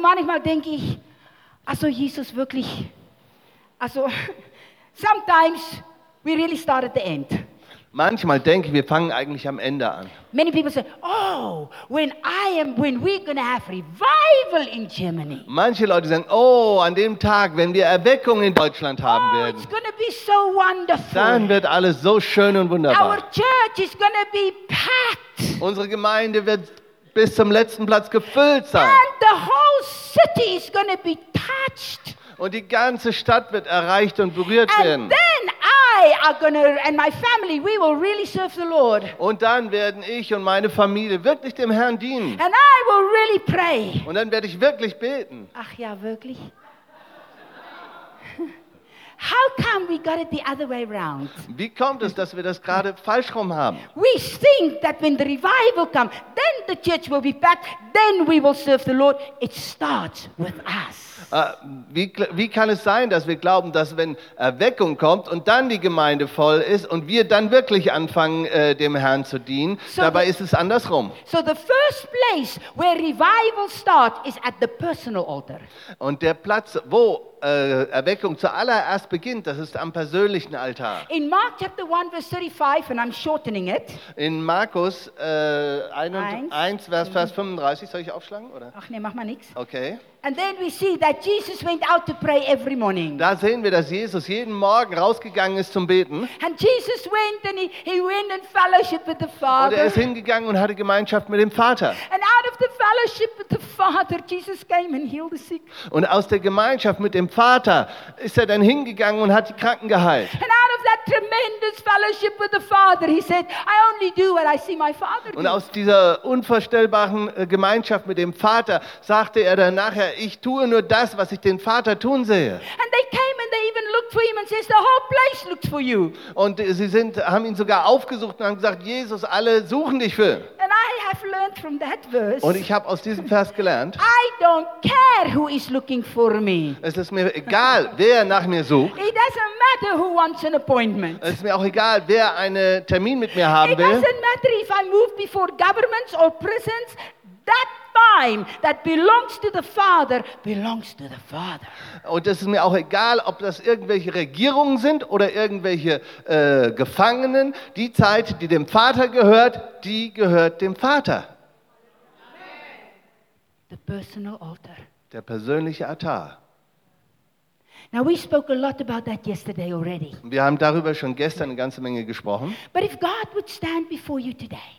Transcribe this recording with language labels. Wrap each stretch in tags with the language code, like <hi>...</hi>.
<de>manchmal denke ich, also Jesus wirklich, also</de> <en>sometimes we really start at the end.</en> <de>Manchmal denke ich, wir fangen eigentlich am Ende an.</de> <en>Many people say, oh, when we're gonna have revival in Germany.</en> <de>Manche Leute sagen, oh, an dem Tag, wenn wir Erweckung in Deutschland haben werden.</de> <en>It's gonna be so wonderful.</en> <de>Dann wird alles so schön und wunderbar.</de> <en>Our church is gonna be packed.</en> <de>Unsere Gemeinde wird bis zum letzten Platz gefüllt sein.</de> <en>And the whole city is gonna be touched.</en> <de>Und die ganze Stadt wird erreicht und berührt</de> <en>and</en> <de>werden.</de> <en>Then and my family, we will really serve the Lord.</en> <de>Und dann werden ich und meine Familie wirklich dem Herrn dienen.</de> <en>And I will really pray.</en> <de>Und dann werde ich wirklich beten. Ach ja, wirklich?</de> <en>How come we got it the other way around?</en> <de>Wie kommt es, dass wir das gerade falsch rum haben?</de> <en>We think that when the revival comes, then the church will be packed, then we will serve the Lord. It starts with us.</en> <de>Wie kann es sein, dass wir glauben, dass wenn Erweckung kommt und dann die Gemeinde voll ist und wir dann wirklich anfangen, dem Herrn zu dienen? So dabei ist es andersrum.</de> <en>So the first place where revival start is at the personal altar.</en> <de>Und der Platz, wo Erweckung zuallererst beginnt, das ist am persönlichen Altar.</de> <en>In Mark chapter 1 verse 35 and I'm shortening it.</en> <de>In Markus 1 Vers 35, soll ich aufschlagen oder? Ach nee, mach mal nichts. Okay.</de> <en>And then we see that Jesus went out to pray every morning.</en> <de>Da sehen wir, dass Jesus jeden Morgen rausgegangen ist zum Beten.</de> <en>And Jesus went and he went in fellowship with the Father.</en> <de>Und er ist hingegangen und hatte Gemeinschaft mit dem Vater.</de> <en>And out of the fellowship with the Father, Jesus came and healed the sick.</en> <de>Und aus der Gemeinschaft mit dem Vater ist er dann hingegangen und hat die Kranken geheilt.</de> <en>And out of that tremendous fellowship with the Father, he said, I only do what I see my Father do.</en> <de>Und aus dieser unvorstellbaren Gemeinschaft mit dem Vater sagte er dann nachher, ich tue nur das, was ich den Vater tun sehe.</de> <en>And they came and they even looked for him and says, the whole place looked for you.</en> <de>Und sie sind, haben ihn sogar aufgesucht und haben gesagt, Jesus, alle suchen dich für.</de> <en>And I have learned from that verse.</en> <de>Und ich habe aus diesem Vers gelernt.</de> <en>I don't care who is looking for me.</en> <de>Es ist mir egal, wer nach mir sucht.</de> <en>It doesn't matter who wants an appointment.</en> <de>Es ist mir auch egal, wer einen Termin mit mir haben will.</de> <en>It doesn't matter if I move before governments or prisons. That time that belongs to the Father belongs to the Father.</en> <de>Und es ist mir auch egal, ob das irgendwelche Regierungen sind oder irgendwelche Gefangenen. Die Zeit, die dem Vater gehört, die gehört dem Vater.</de> <en>The personal altar.</en> <de>Der persönliche Altar.</de> <en>Now we spoke a lot about that yesterday already.</en> <de>Wir haben darüber schon gestern eine ganze Menge gesprochen.</de> <en>But if God would stand before you today.</en>